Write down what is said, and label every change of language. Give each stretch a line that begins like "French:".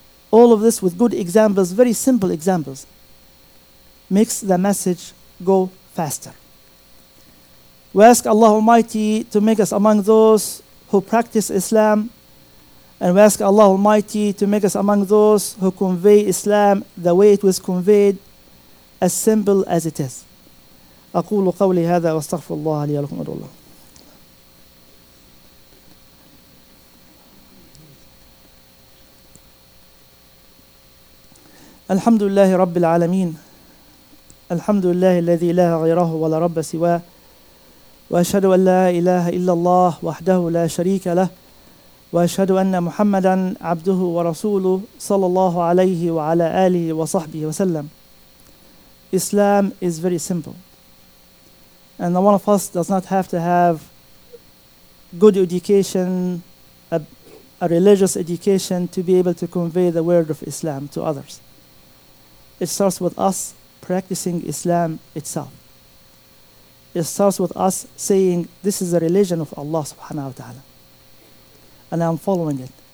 English: All of this with good examples, very simple examples, makes the message go faster. We ask Allah Almighty to make us among those who practice Islam, and we ask Allah Almighty to make us among those who convey Islam the way it was conveyed, as simple as it is.
Arabic: أقول قولي هذا واستغفر الله لي ولكم أدعو الله. الحمد لله رب العالمين الحمد لله الذي لا غيره ولا رب سواه وأشهد أن لا إله إلا الله وحده لا شريك له وأشهد أن محمدا عبده ورسوله صلى الله عليه وعلى آله وصحبه وسلم.
English: Islam is very simple. And one of us does not have to have good education, a religious education, to be able to convey the word of Islam to others. It starts with us practicing Islam itself. It starts with us saying, this is the religion of Allah subhanahu wa ta'ala, and I'm following it.